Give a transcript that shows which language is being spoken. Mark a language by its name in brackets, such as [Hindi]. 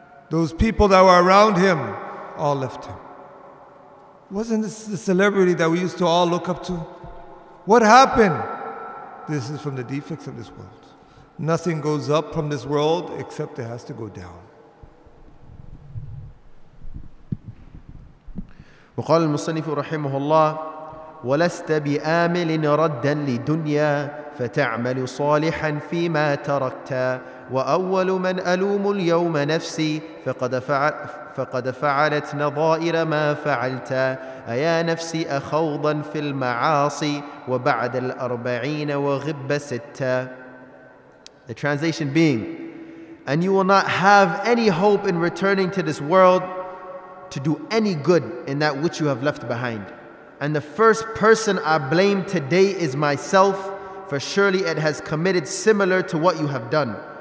[English] Those people that were around him all left him. Wasn't this the celebrity that we used to all look up to? What happened? This is from the defects of this world. Nothing goes up from this world except it has to go down. [Arabic] وقال المصنف رحمه الله ولست بآمل ردا لدنيا فتعمل صالحا فيما تركت وأول من ألوم اليوم نفسي فقد فعلت نظائر ما فعلت أيا نفسي أخوضا في المعاصي وبعد الأربعين وغب ستا. [English] The translation being, and you will not have any hope in returning to this world to do any good in that which you have left behind. And the first person I blame today is myself, for surely it has committed similar to what you have done.